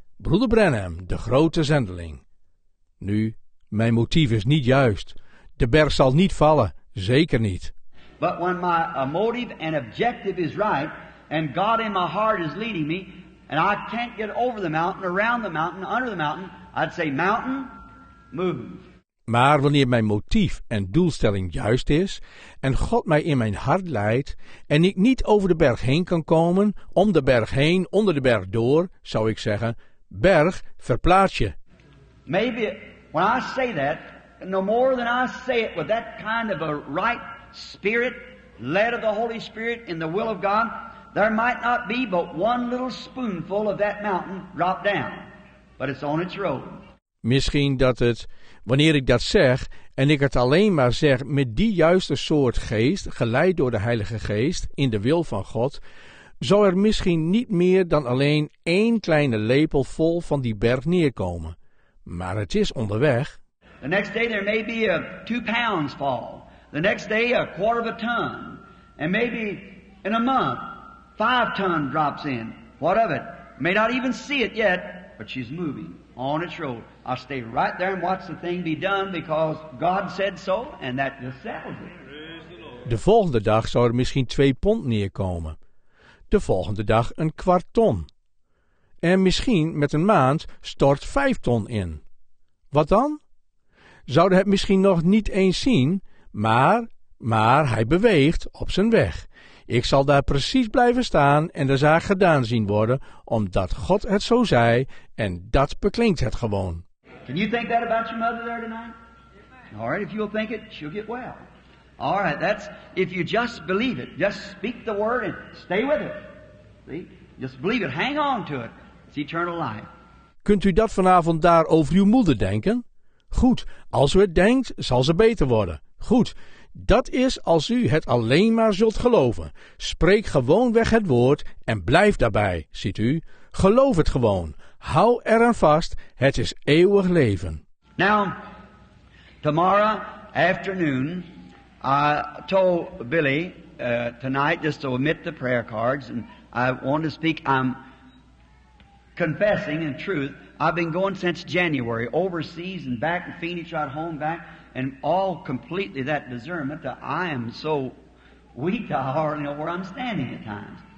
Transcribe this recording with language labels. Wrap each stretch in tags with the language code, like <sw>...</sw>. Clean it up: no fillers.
<nl>Broeder Branham, de grote zendeling. Nu, mijn motief is niet juist. De berg zal niet vallen, zeker niet.</nl> <en>But when my motive and objective is right, and God in my heart is leading me, and I can't get over the mountain, around the mountain, under the mountain, I'd say, mountain, move.</en> <nl>Maar wanneer mijn motief en doelstelling juist is, en God mij in mijn hart leidt, en ik niet over de berg heen kan komen, om de berg heen, onder de berg door, zou ik zeggen, berg, verplaats je.</nl> <en>Maybe when I say that, no more than I say it with that kind of a right spirit, led of the Holy Spirit in the will of God, there might not be but one little spoonful of that mountain drop down, but it's on its road.</en> <nl>Misschien dat het, wanneer ik dat zeg, en ik het alleen maar zeg met die juiste soort geest, geleid door de Heilige Geest, in de wil van God, zou er misschien niet meer dan alleen één kleine lepel vol van die berg neerkomen. Maar het is onderweg.</nl> <en>The next day there may be a 2 pounds fall. The next day a quarter of a ton. And maybe in a month, 5 ton drops in. What of it? May not even see it yet, but she's moving on its road. I'll stay right there and watch the thing be done because God said so, and that just settles it.</en> <nl>De volgende dag zou er misschien 2 pond neerkomen. De volgende dag een kwart ton. En misschien met een maand stort 5 ton in. Wat dan? Zouden het misschien nog niet eens zien, maar hij beweegt op zijn weg. Ik zal daar precies blijven staan en de zaak gedaan zien worden, omdat God het zo zei en dat beklinkt het gewoon.</nl> <en>Can you think that about your mother there tonight? All right, if you'll think it, she'll get well. All right, that's if you just believe it, just speak the word and stay with it. See? Just believe it, hang on to it. It's eternal life.</en> <nl>Kunt u dat vanavond daar over uw moeder denken? Goed, als u het denkt, zal ze beter worden. Goed, dat is als u het alleen maar zult geloven. Spreek gewoon weg het woord en blijf daarbij, ziet u. Geloof het gewoon. Hou eraan vast. Het is eeuwig leven.</nl> <en>Now, tomorrow afternoon, I told Billy tonight just to omit the prayer cards and I want to speak. I'm confessing in truth. I've been going since January, overseas and back in Phoenix, right home back, and all completely that discernment that I am so weak I hardly know where I'm standing at times.</en>